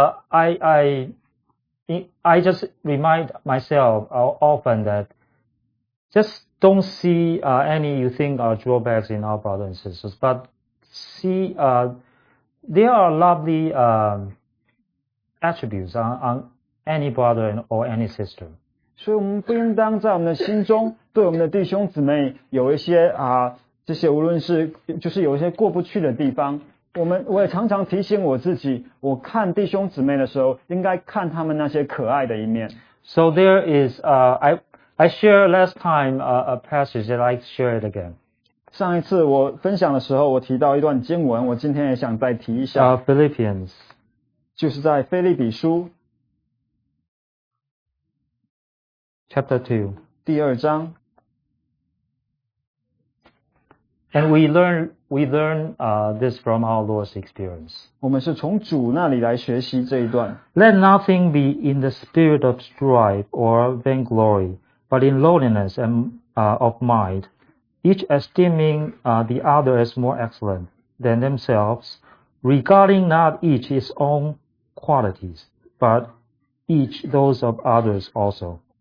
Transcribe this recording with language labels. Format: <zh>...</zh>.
<en>I just remind myself often that just don't see any you think are drawbacks in our brothers and sisters, but see there are lovely attributes on any brother or any sister.</en> <zh>所以我们不应当在我们的心中对我们的弟兄姊妹有一些这些无论是就是有一些过不去的地方。我也常常提醒我自己，我看弟兄姊妹的时候，应该看他们那些可爱的一面。</zh> <en>So there is I shared last time a passage that I share it again.</en> <zh>上一次我分享的时候，我提到一段经文，我今天也想再提一下。</zh> <en>Philippians，</en> <zh>就是在腓立比书。</zh> <en>Chapter 2.</en> <zh>第二章。</zh> <en>And we learn this from our Lord's experience.</en> <zh>我们是从主那里来学习这一段。</zh> <en>Let nothing be in the spirit of strife or vainglory, but in lowliness and of mind, each esteeming the other as more excellent than themselves, regarding not each his own qualities, but each those of others also.</en>